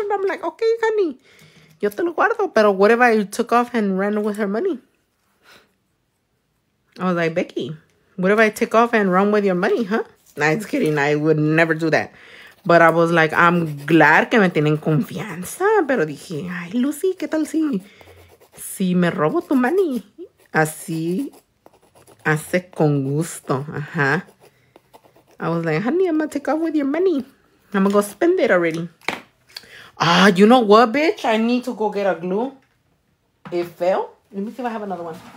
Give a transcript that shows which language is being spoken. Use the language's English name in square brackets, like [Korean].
[English] And I'm like, okay, honey, [Spanish] yo te lo guardo. [English] Pero what if I took off and ran with her money? I was like, Becky, what if I take off and run with your money, huh? Nah, just kidding. I would never do that. But I was like, I'm glad [Spanish] que me tienen confianza. Pero dije, ay, Lucy, ¿qué tal si me robo tu money? Así hace con gusto. Ajá. [English] I was like, honey, I'm going to take off with your money. I'm going to go spend it already. Ah, you know what, bitch? I need to go get a glue. It fell. Let me see if I have another one.